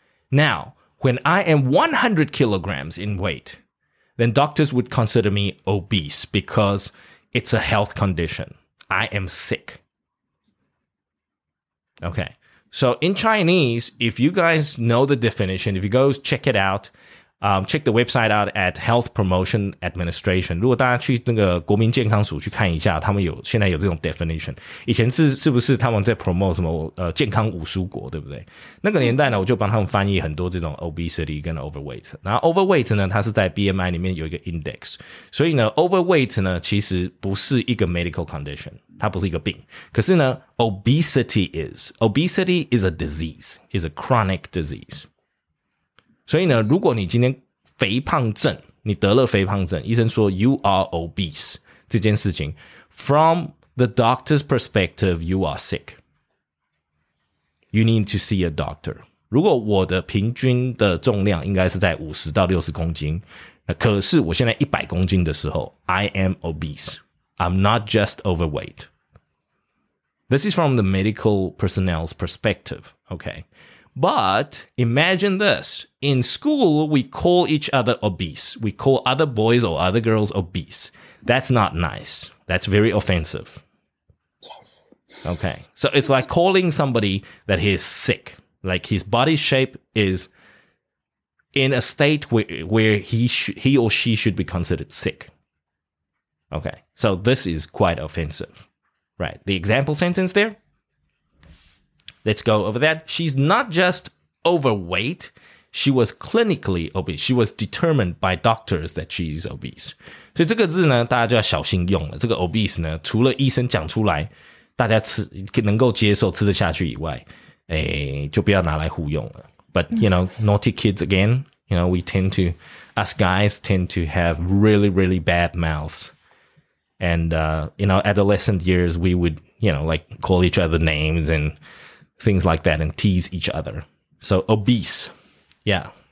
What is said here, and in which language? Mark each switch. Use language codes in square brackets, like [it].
[en] Now, when I am 100 kilograms in weight, then doctors would consider me obese because it's a health condition. I am sick. Okay. So in Chinese, if you guys know the definition, if you go check it out, check the website out at Health Promotion Administration. [zh] 如果大家去那个国民健康署去看一下，他们有现在有这种 definition。以前是不是他们在 promote 什么健康五蔬果，对不对？那个年代呢，我就帮他们翻译很多这种 obesity 跟 overweight。然后 overweight 呢，它是在 BMI 里面有一个 index， 所以呢 ，overweight 呢其实不是一个 medical condition， 它不是一个病。可是呢 [en] ，obesity is a disease， is a chronic disease。 [zh] 所以呢，如果你今天肥胖症，你得了肥胖症，医生说 [en] you are obese [zh] 这件事情 [en] ，from the doctor's perspective you are sick， you need to see a doctor。 [zh] 如果我的平均的重量应该是在50到60公斤，可是我现在100公斤的时候 ， [en] I am obese， I'm not just overweight。 This is from the medical personnel's perspective， okay。 But imagine this. In school, we call each other obese. We call other boys or other girls obese. That's not nice. That's very offensive. Yes. Okay. So it's like calling somebody that he is sick. Like his body shape is in a state where he or she should be considered sick. Okay. So this is quite offensive. Right. The example sentence there. Let's go over that. She's not just overweight. She was clinically obese. She was determined by doctors that she's obese. [zh] 所以这个字呢，大家就要小心用了。这个 obese 呢，除了医生讲出来，大家吃能够接受、吃得下去以外，就不要拿来互用了。 [en] But, you know, naughty kids again, you know, us guys tend to have really, really bad mouths. And, in our adolescent years, we would, you know, like call each other names and... things like that and tease each other. So obese. Yeah.